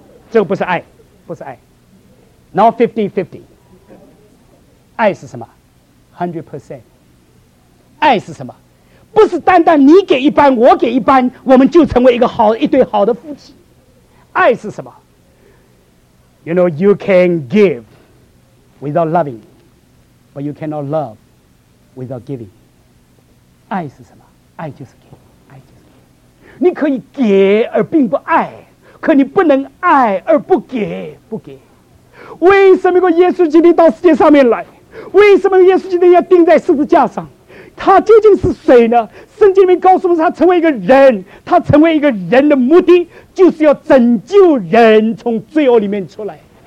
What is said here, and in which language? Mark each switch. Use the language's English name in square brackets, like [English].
[Chinese] 这个不是爱，不是爱， [English] not 50-50。 [Chinese] 爱是什么？100%。 爱是什么？不是单单你给一半我给一半我们就成为一对好的夫妻。爱是什么？ [English] You know, you can give without loving, but you cannot love without giving. [Chinese] 爱是什么？爱就是给，爱就是给。你可以给而并不爱，可你不能爱而不给。不给，为什么耶稣基督到世界上面来？为什么耶稣基督要钉在十字架上？他究竟是谁呢？圣经里面告诉我们，他成为一个人，他成为一个人的目的就是要拯救人从罪恶里面出来。